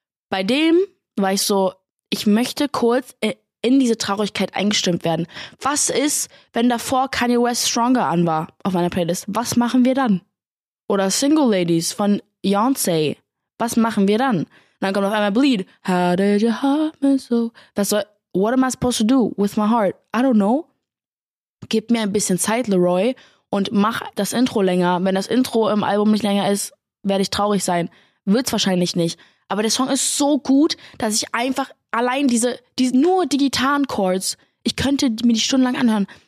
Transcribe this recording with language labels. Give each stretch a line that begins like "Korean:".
German: Bei dem war ich so, ich möchte kurz in diese Traurigkeit eingestimmt werden. Was ist, wenn davor Kanye West Stronger an war auf meiner Playlist? Was machen wir dann? Oder Single Ladies von Beyoncé. Was machen wir dann? Und dann kommt auf einmal Bleed.
English: How did you hurt me so? What am I supposed to do with my heart? I don't know.
German: Gib mir ein bisschen Zeit, LAROI, und mach das Intro länger. Wenn das Intro im Album nicht länger ist, werde ich traurig sein. Wird's wahrscheinlich nicht. Aber der Song ist so gut, dass ich einfach allein diese nur die Gitarrenchords, ich könnte mir die stundenlang anhören.